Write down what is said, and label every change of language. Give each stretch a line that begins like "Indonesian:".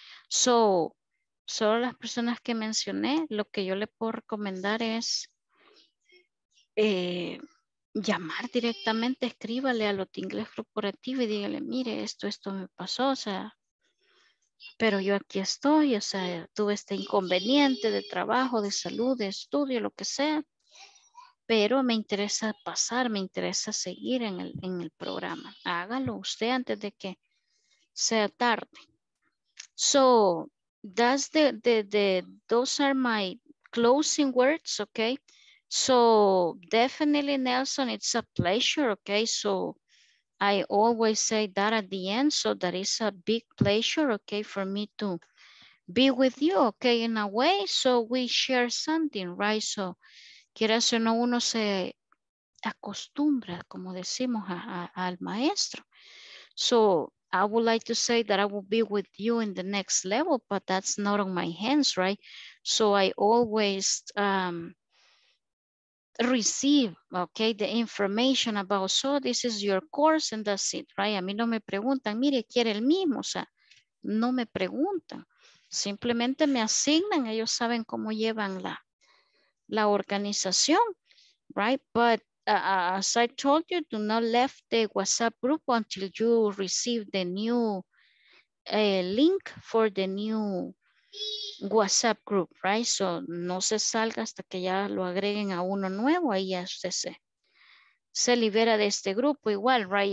Spanish: So, solo las personas que mencioné, lo que yo le puedo recomendar es llamar directamente, escríbale a Lot Inglés Corporativo y dígale, mire, esto me pasó, o sea, pero yo aquí estoy, o sea, tuve este inconveniente de trabajo, de salud, de estudio, lo que sea, pero me interesa pasar, me interesa seguir en el programa. Hágalo usted antes de que sea tarde.
English: So, that's the those are my closing words, okay? So definitely, Nelson, it's a pleasure, okay? So I always say that at the end, so that is a big pleasure, okay, for me to be with you, okay, in a way, so we share something, right?
Spanish: So, quieras o no, uno se acostumbra, como decimos, al maestro.
English: So, I would like to say that I will be with you in the next level, but that's not on my hands, right? So, I always receive, okay, the information about, so this is your course and that's it, right?
Spanish: A mí no me preguntan, mire, quiere el mismo, o sea, no me preguntan. Simplemente me asignan, ellos saben cómo llevan la organización, right?
English: But as I told you, do not leave the WhatsApp group until you receive the new link for the new WhatsApp group, right?
Spanish: So no se salga hasta que ya lo agreguen a uno nuevo, ahí ya se libera de este grupo igual, right?